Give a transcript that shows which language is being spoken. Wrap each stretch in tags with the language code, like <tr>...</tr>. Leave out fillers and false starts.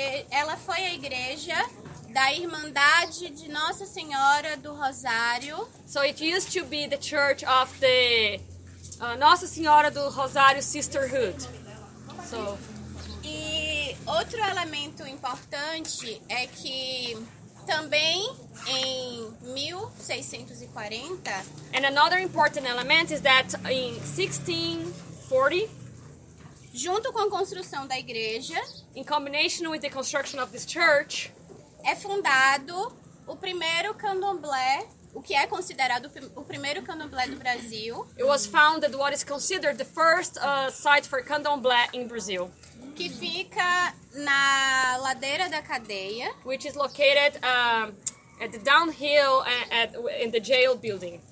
<pt>Ela foi a igreja da Irmandade de Nossa Senhora do Rosário.</pt> <en>So it used to be the church of the Nossa Senhora do Rosário Sisterhood.</en> <pt>E outro elemento importante é que Também em 1640.</pt> <en>And another important element is that in 1640,</en> <pt>junto com a construção da igreja,</pt> <en>in combination with the construction of this church,</en> <pt>é fundado o primeiro candomblé, o que é considerado o primeiro candomblé do Brasil.</pt> <en>It was founded what is considered the first site for candomblé in Brazil.</en> <pt>Que fica na ladeira da cadeia.</pt> <en>Which is located at the downhill in the jail building.</en>